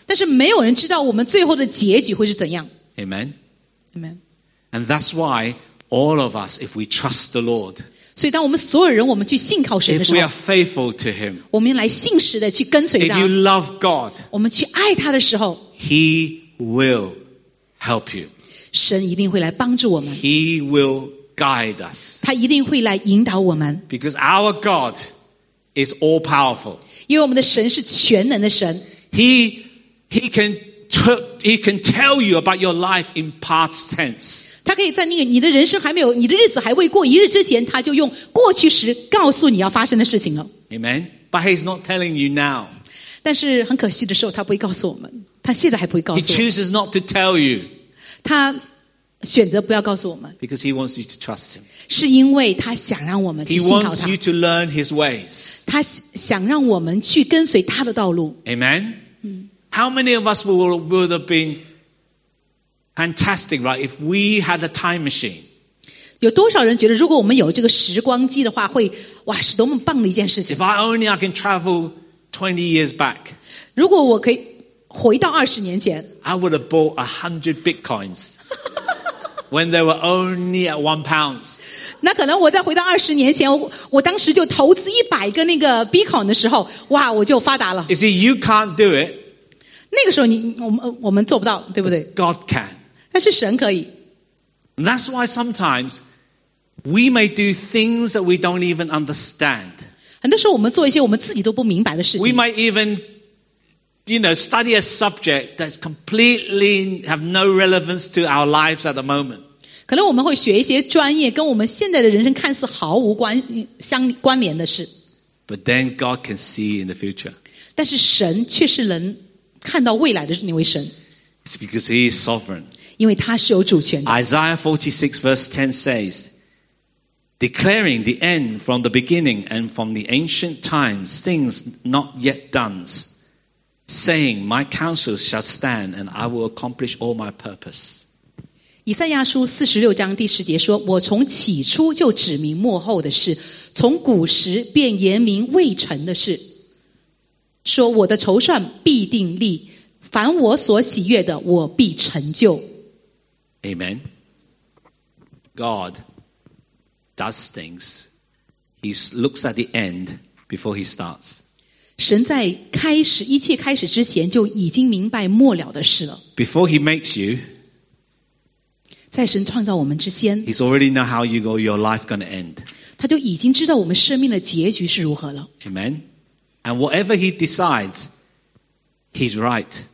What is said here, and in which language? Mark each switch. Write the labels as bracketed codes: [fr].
[zh] 但是没有人知道我们最后的结局会是怎样。 [en] Amen. Amen. And that's why all of us, if we trust the Lord, [zh] 所以当我们所有人我们去信靠神的时候 [en] if we are faithful to Him, [zh] 我们来信实的去跟随他 [en] if you love God, [zh] 我们去爱他的时候 [en] He will help you. [zh] 神一定会来帮助我们 [en] He will guide us. [zh] 他一定会来引导我们 [en] Because our God is all powerful. [zh] 因为我们的神是全能的神 [en] He can tell you about your life in past tense. [zh] 他可以在你的人生还没有你的日子还未过一日之前他就用过去时告诉你要发生的事情了。 [en] Amen. But he's not telling you now. [zh] 但是很可惜的时候他不会告诉我们。他现在还不会告诉我们。 [en] He chooses not to tell you. [zh] 他选择不要告诉我们。 [en] Because he wants you to trust him. [zh] 是因为他想让我们去信靠他。 [en] He wants you to learn his ways. [zh] 他想让我们去跟随他的道路。 [en] Amen. How many of us would have been fantastic, right, if we had a time machine? [zh] 有多少人觉得如果我们有这个时光机的话会哇是多么棒的一件事情。 [en] If I only I can travel 20 years back. [zh] 如果我可以回到20年前。 [en] I would have bought 100 bitcoins. when they were only at £1. [zh] 那可能我再回到20年前 我当时就投资100个那个 bitcoin 的时候哇我就发达了。 [en] You see, you can't do it. [zh] 那个时候我们做不到，对不对？ [en] God can. [zh] 但是神可以。 [en] And that's why sometimes we may do things that we don't even understand. [zh] 很多时候我们做一些我们自己都不明白的事情。 [en] We might even, you know, study a subject that's completely have no relevance to our lives at the moment. [zh] 可能我们会学一些专业跟我们现在的人生看似毫无关联的事。 [en] But then God can see in the future. [zh] 但是神却是能看到未来的那位神。 [en] It's because He is sovereign. [zh] 因为他是有主权的。 [en] Isaiah 46 verse 10 says, declaring the end from the beginning and from the ancient times, things not yet done, saying, my counsel shall stand and I will accomplish all my purpose. [zh] 以赛亚书46章第10节说，我从起初就指明末后的事，从古时便言明未成的事。说我的筹算必定立，凡我所喜悦的，我必成就。 [en] Amen. God does things. He looks at the end before he starts. [zh] 神在开始一切开始之前就已经明白末了的事了。 [en] Before he makes you, [zh] 在神创造我们之前 [en] ，He already know how you go. Your life going to end. [zh] 他就已经知道我们生命的结局是如何了。 [en] Amen. And whatever he decides, he's right.